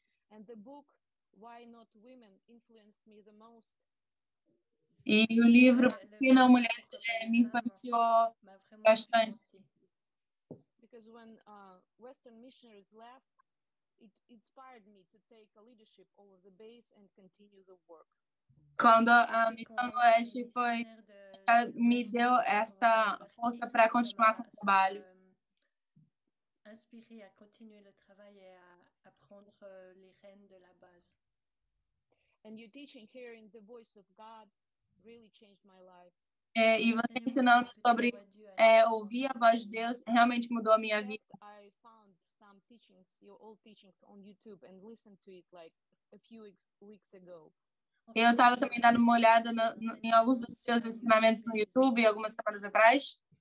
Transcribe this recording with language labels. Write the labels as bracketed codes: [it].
[en] and the book Why Not Women influenced me the most. [pt] E o livro Por que não mulheres me influenciou bastante. [en] Because when Western missionaries left, it inspired me to take a leadership over the base and continue the work. [pt] Quando a Missão Oeste foi, me deu essa força para continuar com o trabalho. Inspirei a continuar o trabalho e a aprender as rédeas da base. [en] And your teaching here in the voice of God really changed my life. [pt] E você ensinando sobre ouvir a voz de Deus realmente mudou a minha vida. [en] I found some teachings, your old teachings on YouTube and listened to it like a few weeks ago. [pt] Eu estava também dando uma olhada em alguns dos seus ensinamentos no YouTube algumas semanas atrás.